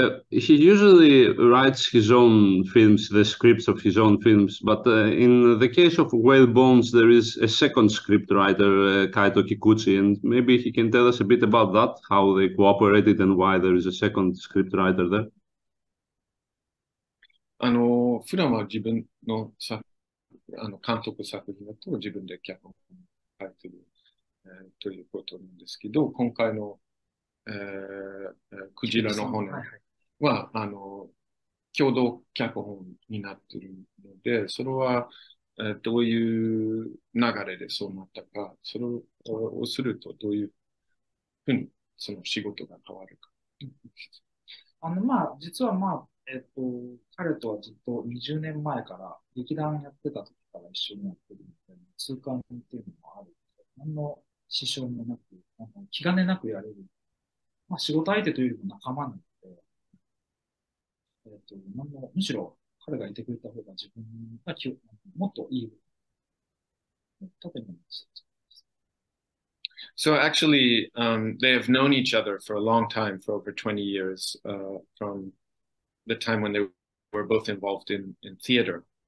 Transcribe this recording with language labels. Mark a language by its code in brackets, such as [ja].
[en] He usually writes his own films, the scripts of his own films, but in the case of Whale Bones, there is a second script writer, Kaito Kikuchi, and maybe he can tell us a bit about that, how they cooperated and why there is a second script writer there. [ja] 普段は自分の作、あの監督作品だと自分で脚本を書いている、ということなんですけど、今回の、クジラの骨は、共同脚本になっているので、それは、どういう流れでそうなったか、それをするとどういうふうにその仕事が変わるか。まあ、実はまあ、彼とはずっと20年前から劇団やってた時から一緒にやってるみたいな、通貫っていうのもある。何の支障もなく、気兼ねなくやれる。まあ仕事相手というよりも仲間なので、何の、むしろ彼がいてくれた方が自分がもっといい。例えば、 [en] So actually, they have known each other for a long time, for over 20 years, from the time when they were both involved in theater.